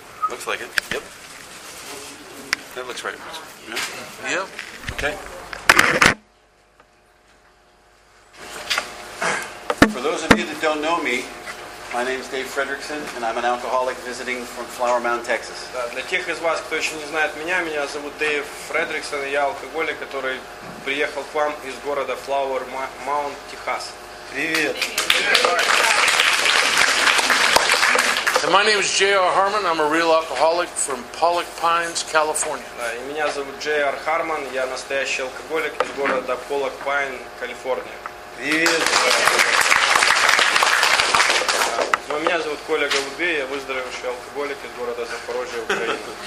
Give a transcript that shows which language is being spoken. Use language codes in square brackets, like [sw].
[en] Looks like it. Yep. That looks right. Yeah. Yep. Okay. For those of you that don't know me, my name is Dave Fredrickson, and I'm an alcoholic visiting from Flower Mound, Texas. [ru] Для тех из вас, кто еще не знает меня, меня зовут Дэйв Фредриксон, и я алкоголик, который приехал к вам из города Flower Mound, Texas. Привет. [en] And my name is J.R. Harmon. I'm a real alcoholic from Pollock Pines, California. [ru] И меня зовут J.R. Harmon. Я настоящий алкоголик из города Pollock Pine, Калифорния. Привет. Меня зовут Коля Голубей. Я выздоровевший алкоголик из города Запорожье, Украина.